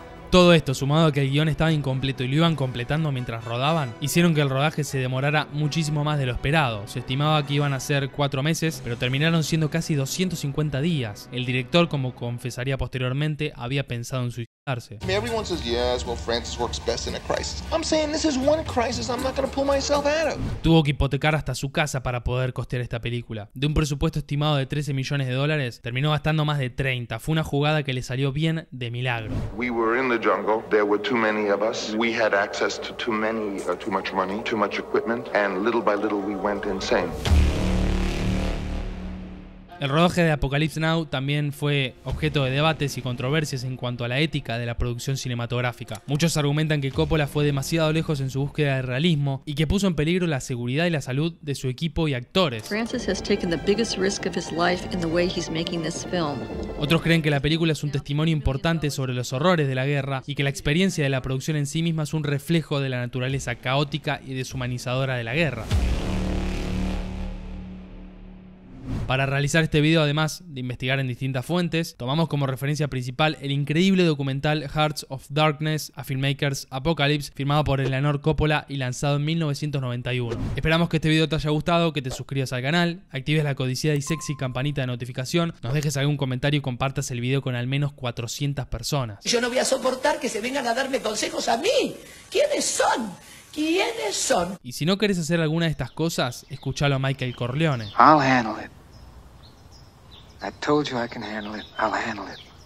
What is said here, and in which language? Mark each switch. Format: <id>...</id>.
<es>Todo esto, sumado a que el guión estaba incompleto y lo iban completando mientras rodaban, hicieron que el rodaje se demorara muchísimo más de lo esperado. Se estimaba que iban a ser 4 meses, pero terminaron siendo casi 250 días. El director, como confesaría posteriormente, había pensado en suicidarse.</es> <en>Everyone says yes, well, Francis works best in a crisis. I'm saying this is one crisis I'm not going to pull myself out of.</en> <es>Tuvo que hipotecar hasta su casa para poder costear esta película. De un presupuesto estimado de 13 millones de dólares, terminó gastando más de 30. Fue una jugada que le salió bien de milagro.</es> <en>We were in the jungle. There were too many of us. We had access to too much money, too much equipment, and little by little we went insane.</en> <es>El rodaje de Apocalypse Now también fue objeto de debates y controversias en cuanto a la ética de la producción cinematográfica. Muchos argumentan que Coppola fue demasiado lejos en su búsqueda de realismo y que puso en peligro la seguridad y la salud de su equipo y actores.</es> <en>Francis has taken the biggest risk of his life in the way he's making this film.</en> <es>Otros creen que la película es un testimonio importante sobre los horrores de la guerra y que la experiencia de la producción en sí misma es un reflejo de la naturaleza caótica y deshumanizadora de la guerra. Para realizar este video, además de investigar en distintas fuentes, tomamos como referencia principal el increíble documental Hearts of Darkness, A Filmmaker's Apocalypse, firmado por Eleanor Coppola y lanzado en 1991. Esperamos que este video te haya gustado, que te suscribas al canal, actives la codiciada y sexy campanita de notificación, nos dejes algún comentario y compartas el video con al menos 400 personas. Yo no voy a soportar que se vengan a darme consejos a mí. ¿Quiénes son? ¿Quiénes son? Y si no querés hacer alguna de estas cosas, escuchalo a Michael Corleone.</es> <en>I'll handle it. I told you I can handle it. I'll handle it.</en>